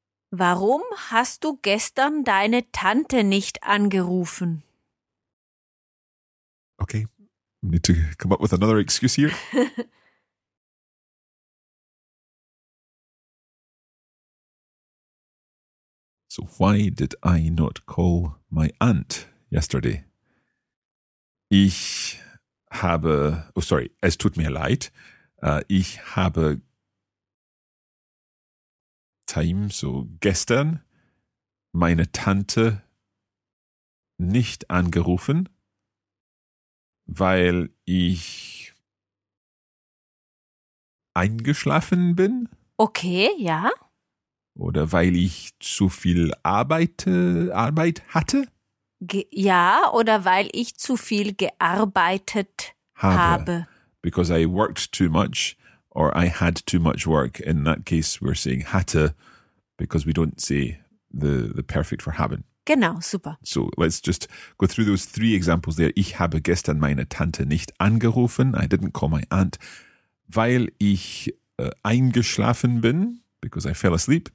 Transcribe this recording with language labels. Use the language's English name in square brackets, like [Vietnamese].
[German] Warum hast du gestern deine Tante nicht angerufen? [English] Okay, I need to come up with another excuse here. So why did I not call my aunt yesterday? [German] Es tut mir leid. Ich habe gestern meine Tante nicht angerufen, weil ich eingeschlafen bin. Okay, ja. Oder weil ich zu viel Arbeit hatte? Ja, oder weil ich zu viel gearbeitet habe. [English] Because I worked too much or I had too much work. In that case, we're saying hatte because we don't say the perfect for haben. [German] Genau, super. [English] So let's just go through those three examples there. [German] Ich habe gestern meine Tante nicht angerufen. [English] I didn't call my aunt. [German] Weil ich eingeschlafen bin. [English] Because I fell asleep.